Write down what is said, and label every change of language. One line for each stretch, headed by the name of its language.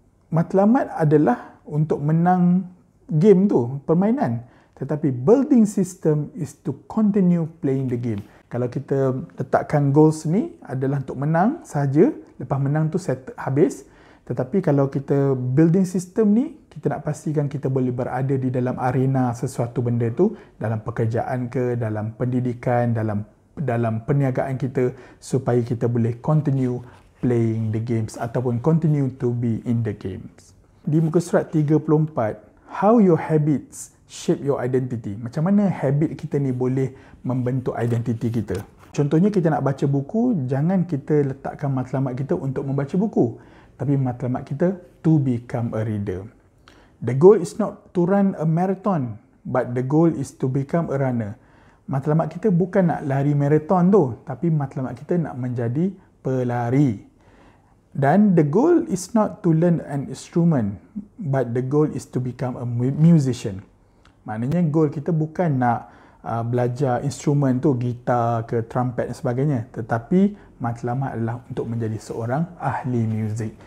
Malay: matlamat adalah untuk menang game tu, permainan. Tetapi
English: building system is to continue playing the game.
Malay: Kalau kita letakkan goals ni adalah untuk menang sahaja, lepas menang tu set habis. Tetapi kalau kita building system ni, kita nak pastikan kita boleh berada di dalam arena sesuatu benda tu, dalam pekerjaan ke, dalam pendidikan, dalam perniagaan kita, supaya kita boleh
English: continue playing the games
Malay: ataupun
English: continue to be in the games.
Malay: Di muka surat 34,
English: how your habits shape your identity.
Malay: Macam mana habit kita ni boleh membentuk identiti kita. Contohnya kita nak baca buku, jangan kita letakkan matlamat kita untuk membaca buku. Tapi matlamat kita,
English: to become a reader. The goal is not to run a marathon, but the goal is to become a runner.
Malay: Matlamat kita bukan nak lari marathon tu, tapi matlamat kita nak menjadi pelari.
English: Dan the goal is not to learn an instrument, but the goal is to become a musician.
Malay: Maknanya goal kita bukan nak belajar instrumen tu, gitar ke trumpet dan sebagainya. Tetapi matlamat adalah untuk menjadi seorang ahli muzik.